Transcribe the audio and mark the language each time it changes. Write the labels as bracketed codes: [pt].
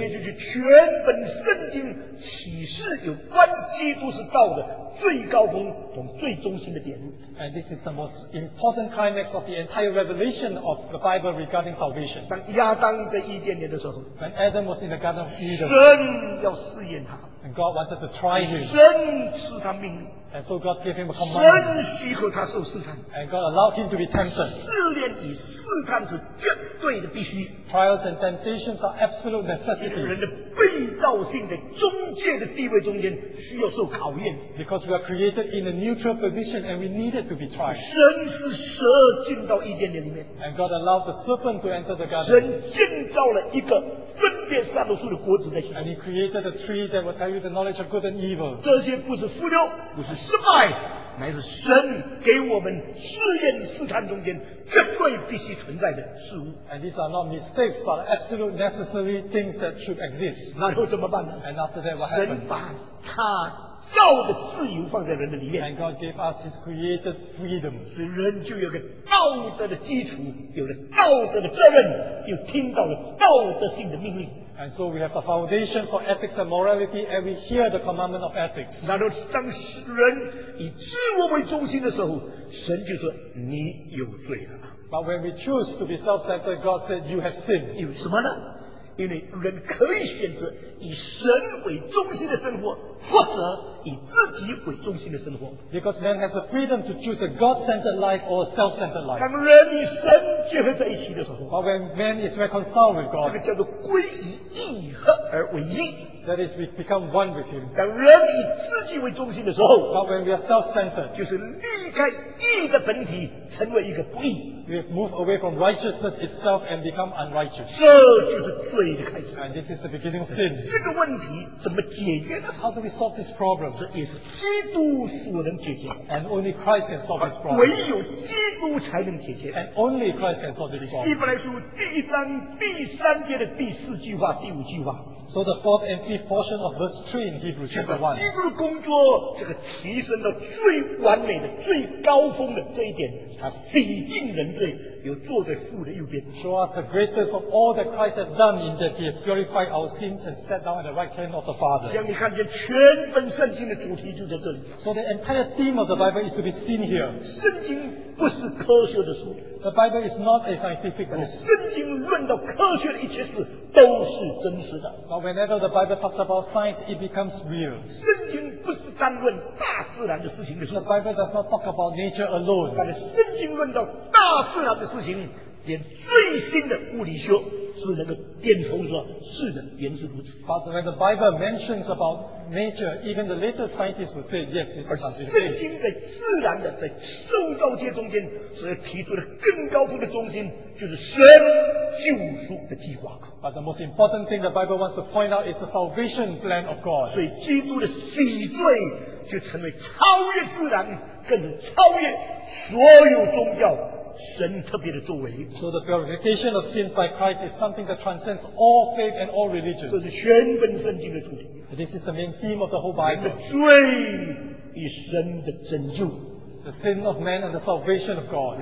[zh] 所以就是全本圣经启示有关基督是道的最高峰和最中心的典故。 [en] And this is the most important climax of the entire revelation of the Bible regarding salvation. [zh] 当亚当在伊甸园的时候 [en] ，When Adam was in the Garden of Eden, [zh] 神要试验他 [en] ，And God wanted to try him. [zh] 神赐他命令。 [en] And so God gave him a command. [zh] 神许可他受试探。 [en] And God allowed him to be tempted. [zh] 试炼与试探是绝对的必须。 [en] Trials and temptations are absolute necessities. [zh] 人的被造性在中介的地位中间需要受考验。 [en] Because we are created in a neutral position and we needed to be tried. [zh] 神是蛇进到伊甸园里面。 [en] And God allowed the serpent to enter the garden. [zh] 神建造了一个分辨善恶树的果子在其中。 [en] And he created a tree that will tell you the knowledge of good and evil. [zh] 这些不是附庸，不是失败，乃是神给我们试验试探中间绝对必须存在的事物。 [en] And these are not mistakes, but absolute necessary things that should exist. [zh] 然后怎么办呢？ [en] And after that, what happened? [zh] 神把他道的自由放在人的里面。 [en] And God gave us His created freedom. [zh] 所以人就有个道德的基础，有了道德的责任，又听到了道德性的命令。 [en] And so we have the foundation for ethics and morality, and we hear the commandment of ethics. [zh] 那就是当人以自我为中心的时候，神就说你有罪了。 [en] But when we choose to be self-centered, God said you have sinned. [zh] 因为什么呢？因为人可以选择以神为中心的生活，或者以自己为中心的生活。 [en] Because man has the freedom to choose a God-centered life or a self-centered life. [zh] 当人与神结合在一起的时候 [en] ，But when man is reconciled with God, [zh] 这个叫做归于一合而为一。 [en] That is, we become one with Him. [zh] 当人以自己为中心的时候 [en] ，But when we are self-centered, [zh] 就是离开义的本体，成为一个不义。 [en] We have moved away from righteousness itself and become unrighteous. [zh] 这就是罪的开始。 [en] And this is the beginning of sin. [zh] 这个问题怎么解决呢 [en] ？How do we solve this problem? [zh] 这也是基督所能解决。 [en] And only Christ can solve this problem. [zh] 唯有基督才能解决。 [en] And only Christ can solve this problem. [zh] 希伯来书第一章第三节的第四句话、第五句话。 [en] So the fourth and fifth portion of verse 3 in Hebrews chapter 1. [zh] 基督的工作，这个提升到最完美的、最高峰的这一点，他洗净人罪，又坐在父的右边。 [en] Show us the greatest of all that Christ has done in that He has purified our sins and sat down at the right hand of the Father. [zh] 让你看见全本圣经的主题就在这里。 [en] So the entire theme of the Bible is to be seen here. [zh] 圣经不是科学的书。 [en] The Bible is not a scientific book. [zh] 圣经论到科学的一切事都是真实的。 [en] But whenever the Bible talks about science, it becomes real. [zh] 圣经不是单论大自然的事情的书。 [en] The Bible does not talk about nature alone. [zh] 但是圣经论到大自然的事情，连最新的物理学是能够点头说是的，原是如此。 [en] But when the Bible mentions about nature, even the latest scientists will say yes, this is true. [zh] 而圣经在自然的在受造界中间所提出的更高峰的中心，就是神救赎的计划。 [en] But the most important thing the Bible wants to point out is the salvation plan of God. [zh] 所以基督的洗罪就成为超越自然，更是超越所有宗教。神特别的作为。 [en] So the purification of sins by Christ is something that transcends all faith and all religion. [zh] 这是全本圣经的主题。 [en] This is the main theme of the whole Bible. [zh] 人的罪与神的拯救。 [en] The sin of man and the salvation of God.